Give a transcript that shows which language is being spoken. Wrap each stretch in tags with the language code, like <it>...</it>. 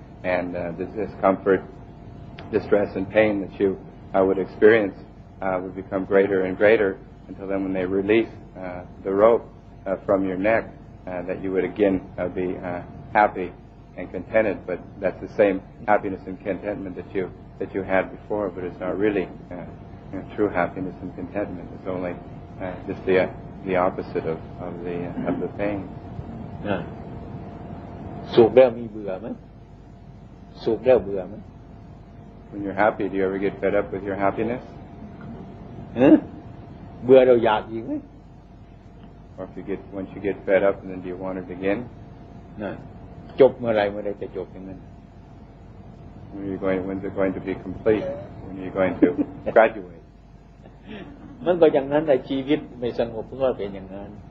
<en>And this discomfort, distress, and pain that you would experience would become greater and greater until then when they release the rope from your neck that you would again be happy. And contented, but that's the same happiness and contentment that you had before. But it's not really true happiness and contentment. It's only just the opposite of the pain. Yeah.</en> <th>สูบแล้วมีเบื่อมั้ยสูบแล้วเบื่อมั้ย</th> <en>When you're happy do you ever get fed up with your happiness</en> <th>เบื่อแล้วอยากอีกมั้ย</th> <en>Or if you get once you get fed up and then do you want it again</en> <th>นั่นจบเมื่อไหร่เมื่อใดจะจบอย่างนั้น</th> <en>When are you going when's it going to be complete when are you going to graduate</en> <th>มันก็อย่างนั้นแต่ชีวิตไม่สงบก็เป็นอย่างนั้น</th>